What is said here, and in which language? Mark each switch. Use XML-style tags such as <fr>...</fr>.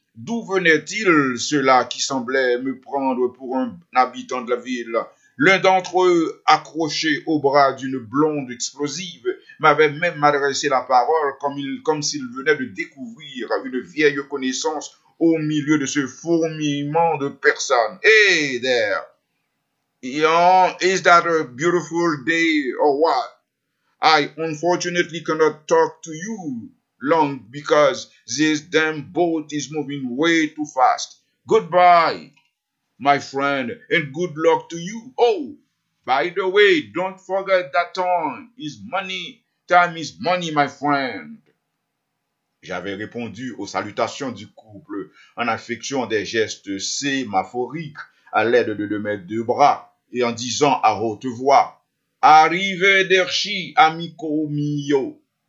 <fr>D'où venait-il cela qui semblait me prendre pour un habitant de la ville? L'un d'entre eux, accroché au bras d'une blonde explosive, m'avait même adressé la parole comme s'il venait de découvrir une vieille connaissance au milieu de ce fourmillement de personnes.</fr> <en>Hey there! Is that a beautiful day or what? I unfortunately cannot talk to you long because this damn boat is moving way too fast. Goodbye, my friend, and good luck to you. Oh, by the way, don't forget that time is money, my friend.</en> <fr>J'avais répondu aux salutations du couple en affectant des gestes sémaphoriques à l'aide de mes deux bras. Et en disant à haute voix,</fr> <it>arrivederci, amico mio.</it>